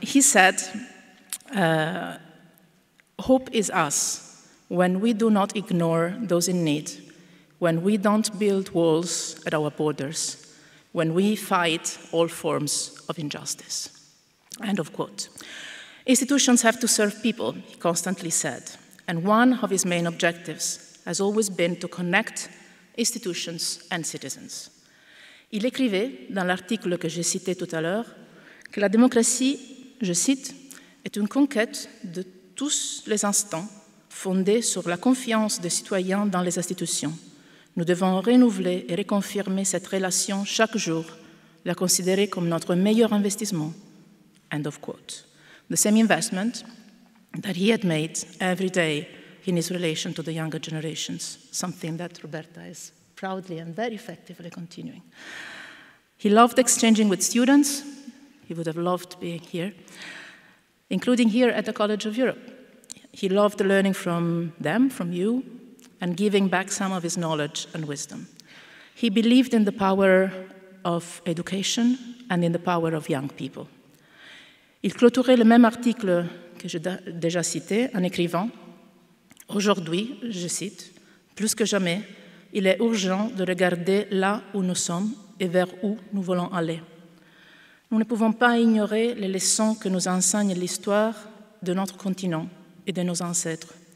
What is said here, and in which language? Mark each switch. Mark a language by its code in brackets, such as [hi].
[en] He said, hope is us when we do not ignore those in need, when we don't build walls at our borders, when we fight all forms of injustice. End of quote. Institutions have to serve people, he constantly said. And one of his main objectives has always been to connect institutions and citizens. [fr] Il écrivait dans l'article que j'ai cité tout à l'heure que la démocratie, je cite, est une conquête de tous les instants fondés sur la confiance des citoyens dans les institutions. Nous devons renouveler et reconfirmer cette relation chaque jour, la considérer comme notre meilleur investissement. [en] End of quote. The same investment that he had made every day in his relation to the younger generations, something that Roberta is proudly and very effectively continuing. He loved exchanging with students. He would have loved being here, including here at the College of Europe. He loved learning from them, from you, and giving back some of his knowledge and wisdom. He believed in the power of education and in the power of young people. [fr] Il clôturait le même article que j'ai déjà cité en écrivant, aujourd'hui, je cite, plus que jamais, il est urgent de regarder là où nous sommes et vers où nous voulons aller. Nous ne pouvons pas ignorer les leçons que nous enseigne l'histoire de notre continent et de nos ancêtres.